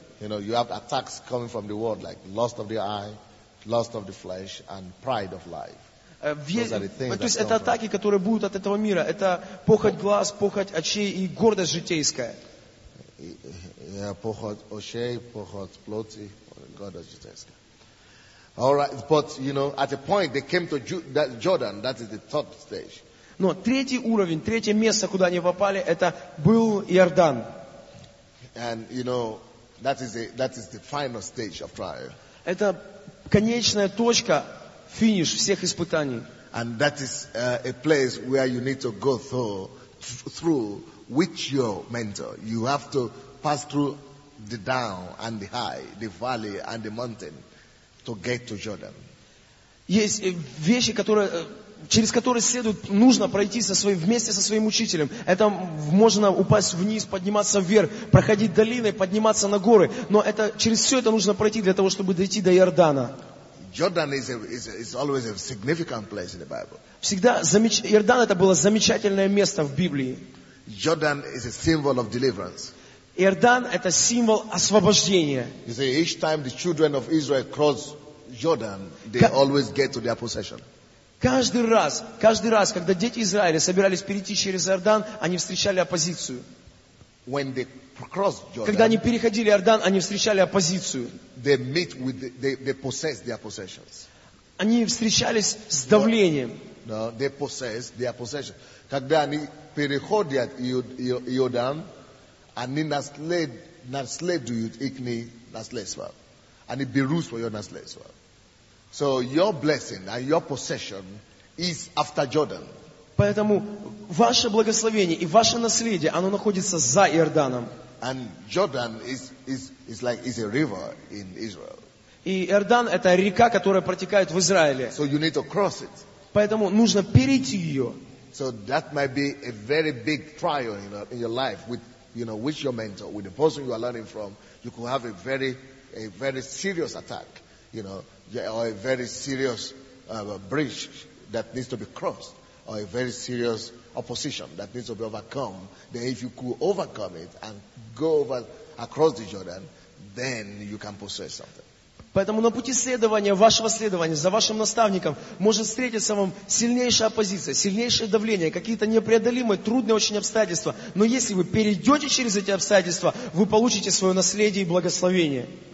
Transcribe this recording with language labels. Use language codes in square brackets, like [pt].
[en] You know, you have attacks coming from the world like lust of the eye, lust of the flesh, and pride of life. Those are the things that come from. [ru] Это атаки, которые будут от этого мира. Это похоть глаз, похоть очей и гордость житейская. Yeah, похоть очей, похоть плоти, гордость житейская. [en] All right, but you know, at a point they came to Jordan. That is the third stage. [ru] Но третий уровень, третье место, куда они попали, это был Иордан. [en] And you know. That is the final stage of trial. [ru] Это конечная точка, финиш всех испытаний. [en] And that is a place where you need to go through with your mentor. You have to pass through the down and the high, the valley and the mountain to get to Jordan. [ru] Есть вещи, которые, через которые следует, нужно пройти со своим, вместе со своим учителем. Это можно упасть вниз, подниматься вверх, проходить долины, подниматься на горы. Но это, через все это нужно пройти для того, чтобы дойти до Иордана. [en] Jordan is always a significant place in the Bible. [ru] Всегда Иордан это было замечательное место в Библии. [en] Jordan is a symbol of deliverance. [ru] Иордан это символ освобождения. [en] You see, each time the children of Israel cross Jordan, they always get to their possession. [ru] Каждый раз, когда дети Израиля собирались перейти через Иордан, они встречали оппозицию. [en] When they cross Jordan, [ru] когда они переходили Иордан, они встречали оппозицию. [en] They meet with they possess their possessions. [ru] Они встречались с давлением. [en] No, they possess their possessions. [ru] Когда они переходят Иордан, они наследуют их наследство. [en] And it be roots for your naslesva. So your blessing and your possession is after Jordan. [ru] Поэтому ваше благословение и ваше наследие, оно находится за Иорданом. [en] And Jordan is a river in Israel. [ru] И Иордан это река, которая протекает в Израиле. [en] So you need to cross it. [ru] Поэтому нужно перейти ее. [en] So that might be a very big trial in your life with, you know, with your mentor, with the person you are learning from. You could have a very serious attack, you know, or a very serious bridge that needs to be crossed, or a very serious opposition that needs to be overcome. Then if you could overcome it and go over across the Jordan, then you can possess something. [ru] Поэтому на пути следования, вашего следования, за вашим наставником, может встретиться вам сильнейшая оппозиция, сильнейшее давление, какие-то непреодолимые, трудные очень обстоятельства. Но если вы перейдете через эти обстоятельства, вы получите свое наследие и благословение.